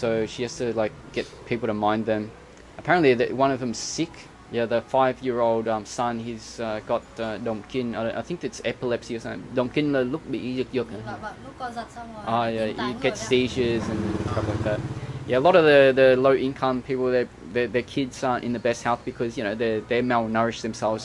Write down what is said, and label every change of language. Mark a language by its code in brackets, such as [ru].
[en] So she has to like get people to mind them. Apparently, one of them's sick. Yeah, the 5-year-old son, he's got domkin. I think it's epilepsy or something. [vi] Domkin là lúc bị giật giật. Ah, [en] yeah, he gets seizures and stuff like that. Yeah, a lot of the low income people, their kids aren't in the best health because they're malnourished themselves.